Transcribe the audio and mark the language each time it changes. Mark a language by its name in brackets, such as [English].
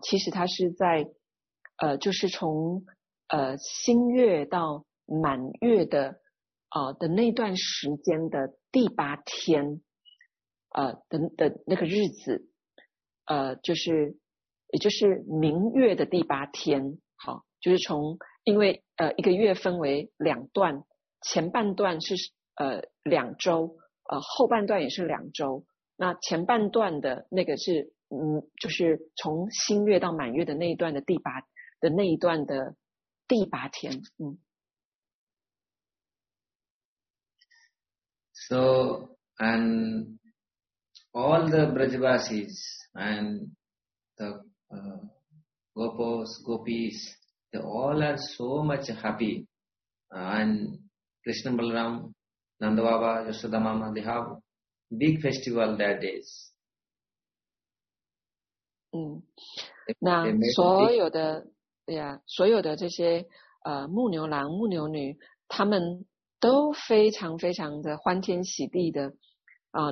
[Chinese] 其实他是在就是从新月到满月的的那段时间的第八天的那个日子，就是也就是明月的第八天，好，就是从因为一个月分为两段，前半段是两周，后半段也是两周。那前半段的那个是就是从新月到满月的那一段的第八天，嗯。 [English] So and all the Brajavasis and the Gopos, Gopis, they all are so much happy. And Krishna Balaram, Nanda Baba, Yashoda Mama, they have big festival that days. [Chinese] 嗯，那所有的呀，所有的这些牧牛郎、牧牛女，他们都非常非常的欢天喜地的啊。